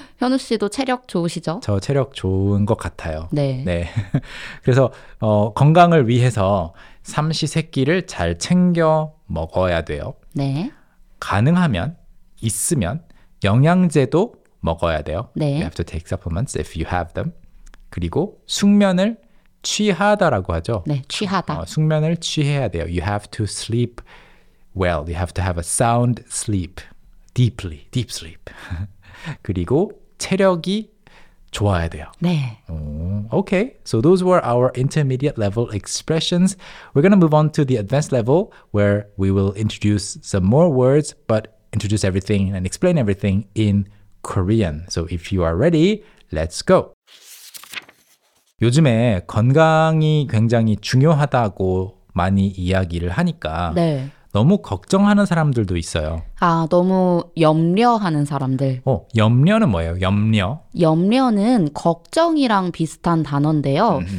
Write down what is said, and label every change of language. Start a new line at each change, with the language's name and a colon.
Korean: 현우 씨도 체력 좋으시죠? 저 체력 좋은 것 같아요. 네. 네. 그래서 건강을 위해서 삼시세끼를 잘 챙겨 먹어야 돼요. 네. 가능하면, 있으면 영양제도 먹어야 돼요. 네.
English: You have to take supplements if you have them.
Korean: 그리고 숙면을 취하다라고 하죠. 네, 취하다. 숙면을 취해야 돼요.
English: You have to sleep well. You have to have a sound sleep. Deeply, deep sleep.
Korean: 그리고 체력이 좋아야 돼요. 네.
English: Okay, so those were our intermediate level expressions. We're going to move on to the advanced level where we will introduce some more words, but introduce everything and explain everything in Korean. So if you are ready, let's go.
Korean: 요즘에 건강이 굉장히 중요하다고 많이 이야기를 하니까 네. 너무 걱정하는 사람들도 있어요. 너무 염려하는 사람들. 염려는 뭐예요? 염려? 염려는 걱정이랑 비슷한 단어인데요.